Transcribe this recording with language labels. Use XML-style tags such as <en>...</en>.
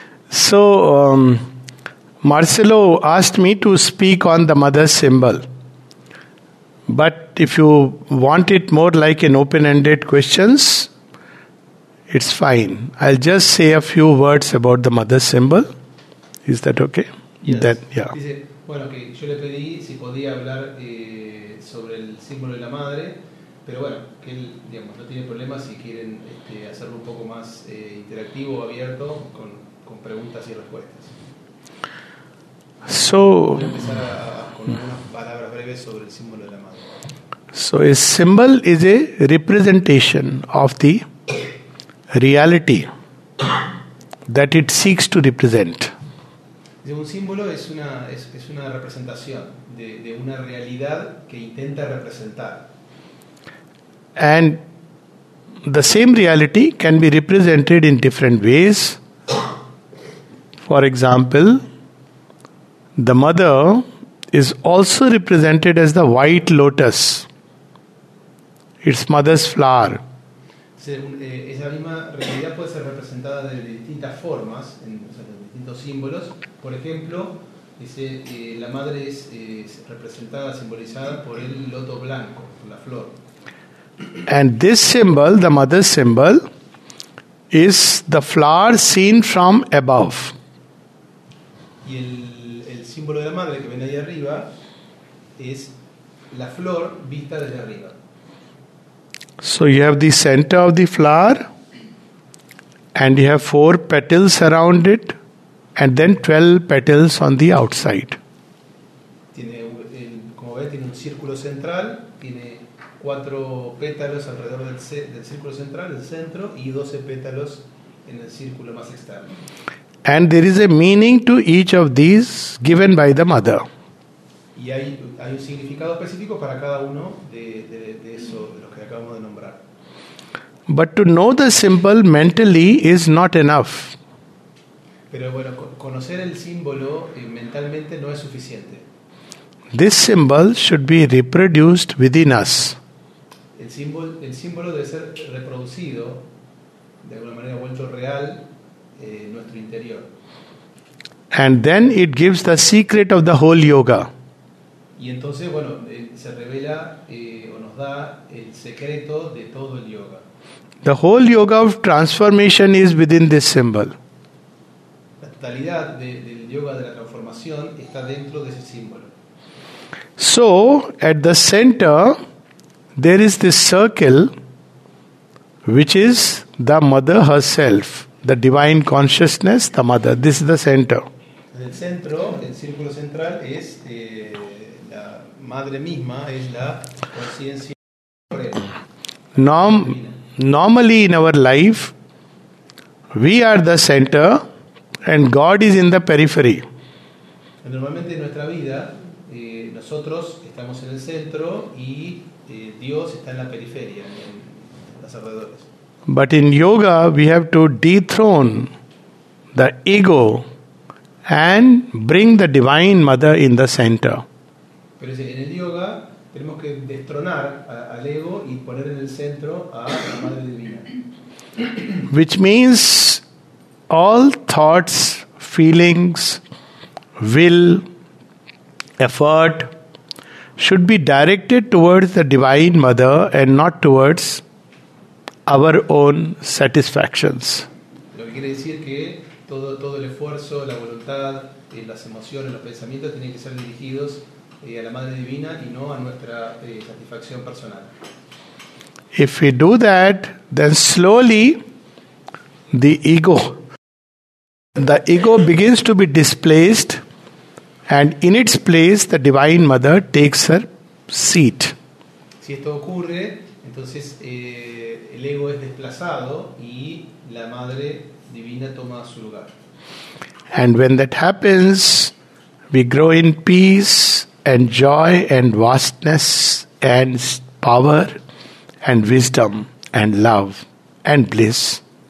<en>So, Marcelo asked me to speak on the mother symbol. But if you want it more like an open-ended questions, it's fine. I'll just say a few words about the mother symbol. Is that okay? Yes. That, yeah.</en> <es>Dice, bueno, que yo le pedí si podía hablar sobre el símbolo de la madre, pero bueno, que él, digamos, no tiene problema si quieren hacerlo un poco más interactivo, abierto, con preguntas y respuestas.</es> <en>So, a symbol is a representation of the reality that it seeks to represent.</en> <es>Un símbolo es una representación de una realidad que intenta representar.</es> <en>And the same reality can be represented in different ways. For example, the mother is also represented as the white lotus, its mother's flower.</en> <es>Esa misma realidad puede ser representada de distintas formas, de distintos símbolos. Por ejemplo, la madre es representada, simbolizada por el loto blanco, la flor.</es> <en>And this symbol, the mother's symbol, is the flower seen from above.</en> <es>El símbolo de la madre que viene ahí arriba es la flor vista desde arriba.</es> <en>So you have the center of the flower and you have four petals around it and then 12 petals on the outside.</en> <es>Tiene un círculo central, tiene cuatro pétalos alrededor del círculo central, del centro, y 12 pétalos en el círculo más externo.</es> <en>And there is a meaning to each of these given by the mother.</en> <es>Y hay un significado específico para cada uno de eso, de los que acabamos de nombrar.</es> <en>But to know the symbol mentally is not enough.</en> <es>Pero bueno, conocer el símbolo mentalmente no es suficiente.</es> <en>This symbol should be reproduced within us.</en> <es>El símbolo debe ser reproducido, de alguna manera vuelto real. Nuestro interior.</es> <en>And then it gives the secret of the whole yoga.</en> <es>Y entonces, bueno, se revela o nos da el secreto de todo el yoga.</es> <en>The whole yoga of transformation is within this symbol.</en> <es>La totalidad del yoga de la transformación está dentro de ese símbolo.</es> <en>So, at the center, there is this circle which is the mother herself. The divine consciousness, the mother. This is the center.</en> <es>El centro, el círculo central es la madre misma, es la conciencia.</es> <en>Normally in our life, we are the center, and God is in the periphery.</en> <es>Normalmente en nuestra vida, nosotros estamos en el centro y Dios está en la periferia, en los alrededores.</es> <en>But in yoga, we have to dethrone the ego and bring the divine mother in the center.</en> <es>Pero en el yoga tenemos que destronar al ego y poner en el centro a la madre divina.</es> <en>Which means all thoughts, feelings, will, effort should be directed towards the Divine Mother and not towards our own satisfactions.</en> <es>Lo que quiere decir que todo el esfuerzo, la voluntad, las emociones, los pensamientos tienen que ser dirigidos a la Madre Divina y no a nuestra satisfacción personal.</es> <en>If we do that, then slowly the ego begins to be displaced, and in its place the Divine Mother takes her seat.</en> <es>Si esto ocurre, entonces el ego es desplazado y la Madre Divina toma su lugar.</es> <en>And when that happens, we grow in peace and joy and vastness and power and wisdom and love and bliss.</en>